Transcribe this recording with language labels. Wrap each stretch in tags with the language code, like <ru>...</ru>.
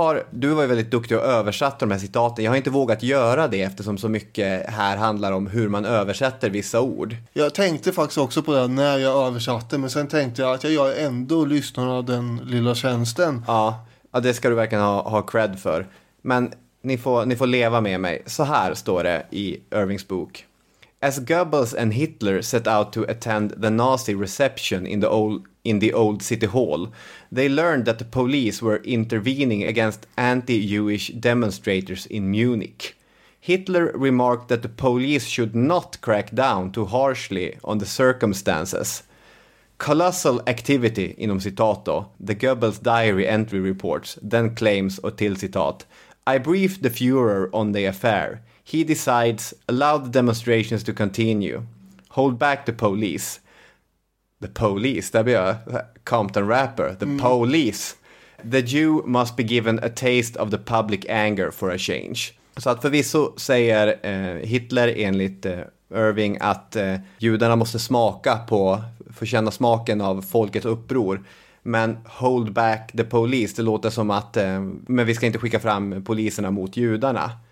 <sv>Du var ju väldigt duktig och översatte de här citaten. Jag har inte vågat göra det eftersom så mycket här handlar om hur man översätter vissa ord. Jag tänkte faktiskt också på det när jag översatte, men sen tänkte jag att jag gör ändå lyssnarna av den lilla tjänsten. Ja, det ska du verkligen ha cred för. Men ni får leva med mig. Så här står det i Irvings bok.</sv> <en>As Goebbels and Hitler set out to attend the Nazi reception in the old city hall, they learned that the police were intervening against anti-Jewish demonstrators in Munich. Hitler remarked that the police should not crack down too harshly on the circumstances. Colossal activity,</en> <sv>inom citato,</sv> <en>the Goebbels diary entry reports, then claims, or</en> <sv>till citat,</sv> <en>I briefed the Führer on the affair. He decides, allow the demonstrations to continue. Hold back the police.</en> <sv>The police, där blir jag Compton rapper.</sv> <en>The police. The Jew must be given a taste of the public anger for a change.</en> <sv>Så att förvisso säger Hitler enligt Irving att judarna måste smaka på, få känna smaken av folkets uppror. Men</sv> <en>hold back the police,</en> <sv>det låter som att men vi ska inte skicka fram poliserna mot judarna.</sv>